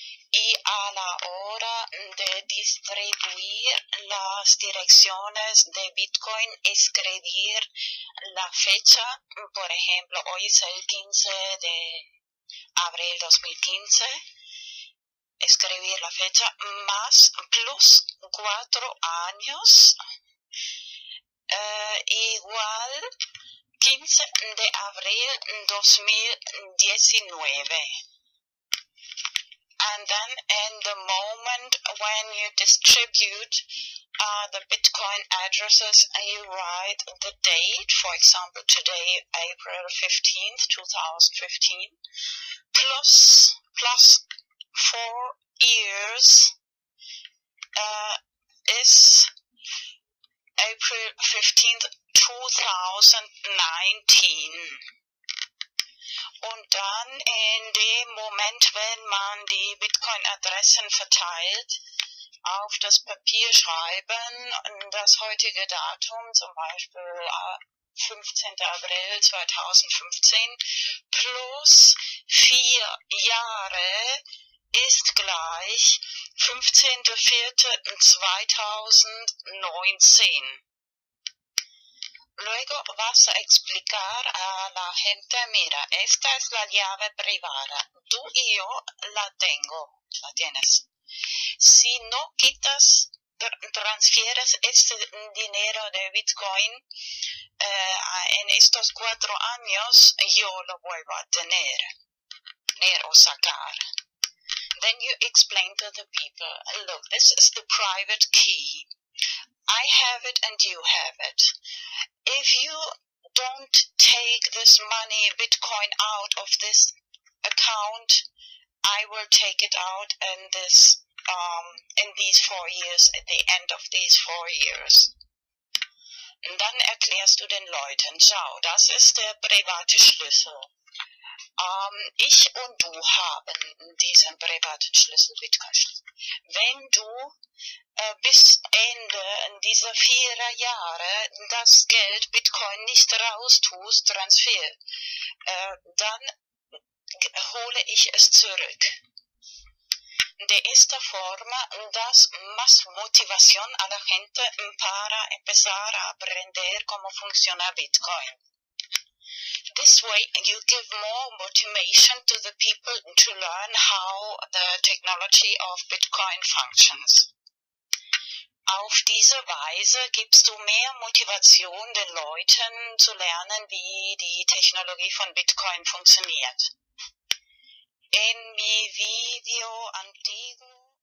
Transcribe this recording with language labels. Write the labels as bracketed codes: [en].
[es] Y a la hora de distribuir las direcciones de Bitcoin, escribir la fecha, por ejemplo, hoy es el 15 de abril 2015, escribir la fecha más plus 4 años, igual 15 de abril 2019. [en] And then in the moment when you distribute the Bitcoin addresses, you write the date, for example, today, April 15th, 2015, plus 4 years is April 15th, 2019. [de] Und dann in dem Moment, wenn man die Bitcoin-Adressen verteilt, auf das Papier schreiben, das heutige Datum, zum Beispiel 15. April 2015, plus 4 Jahre ist gleich 15.04.2019. [es] Luego vas a explicar a la gente, mira, esta es la llave privada, tú y yo la tengo, la tienes. Si no quitas, transfieres este dinero de Bitcoin en estos 4 años, yo lo vuelvo a tener o sacar. [en] Then you explain to the people, look, this is the private key. I have it and you have it. If you don't take this money, Bitcoin, out of this account, I will take it out in this in these 4 years, at the end of these 4 years. [de] Und dann erklärst du den Leuten, schau, das ist der private Schlüssel. Ich und du haben diesen privaten Schlüssel, Bitcoin-Schlüssel. Wenn du bis Ende dieser 4 Jahre das Geld Bitcoin nicht raustust, Transfer, dann hole ich es zurück. [es] De esta forma das más motivación a la gente para empezar a aprender cómo funciona Bitcoin. [en] This way you give more motivation to the people to learn how the technology of Bitcoin functions. [de] Auf diese Weise gibst du mehr Motivation den Leuten zu lernen, wie die Technologie von Bitcoin funktioniert. [es] En mi video antiguo.